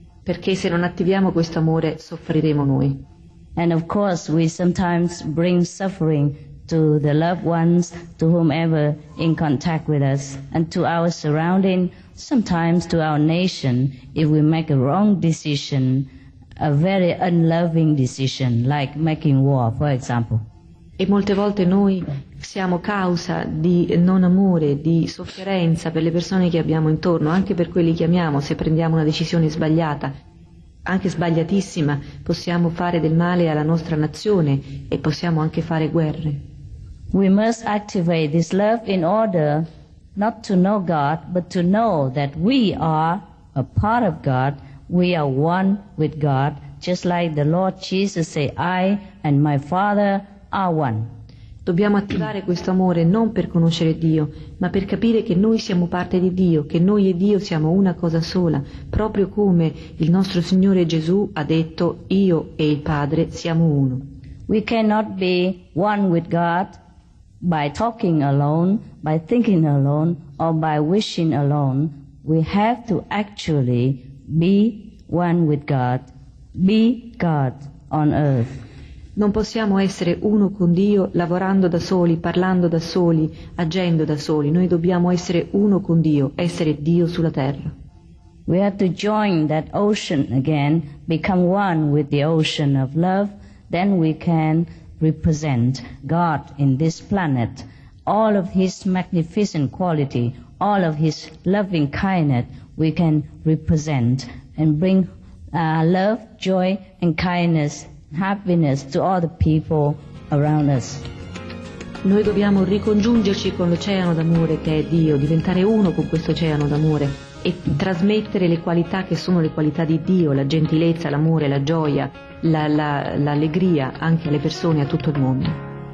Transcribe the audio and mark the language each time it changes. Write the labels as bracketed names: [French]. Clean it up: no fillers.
[Italian] Perché se non attiviamo questo amore, soffriremo noi. [English] And of course we sometimes bring suffering to the loved ones, to whomever in contact with us, and to our surrounding, sometimes to our nation, if we make a wrong decision, a very unloving decision, like making war, for example. [Italian] E molte volte noi siamo causa di non amore, di sofferenza per le persone che abbiamo intorno, anche per quelli che amiamo. Se prendiamo una decisione sbagliata, anche sbagliatissima, possiamo fare del male alla nostra nazione e possiamo anche fare guerre. [English] We must activate this love in order not to know God, but to know that we are a part of God, we are one with God, just like the Lord Jesus said, I and my Father are one. [Italian] Dobbiamo attivare questo amore non per conoscere Dio, ma per capire che noi siamo parte di Dio, che noi e Dio siamo una cosa sola, proprio come il nostro Signore Gesù ha detto, io e il Padre siamo uno. [English] We cannot be one with God by talking alone, by thinking alone, or by wishing alone. We have to actually be one with God, be God on earth. [Italian] Non possiamo essere uno con Dio lavorando da soli, parlando da soli, agendo da soli. Noi dobbiamo essere uno con Dio, essere Dio sulla terra. [English] We have to join that ocean again, become one with the ocean of love, then we can represent God in this planet, all of his magnificent quality, all of his loving kindness, we can represent and bring love, joy and kindness, happiness to all the people around us. [Italian] Noi dobbiamo ricongiungerci con l'oceano d'amore che è Dio, diventare uno con questo oceano d'amore e trasmettere le qualità che sono le qualità di Dio, la gentilezza, l'amore, la gioia, l'allegria anche alle persone, a tutto il mondo.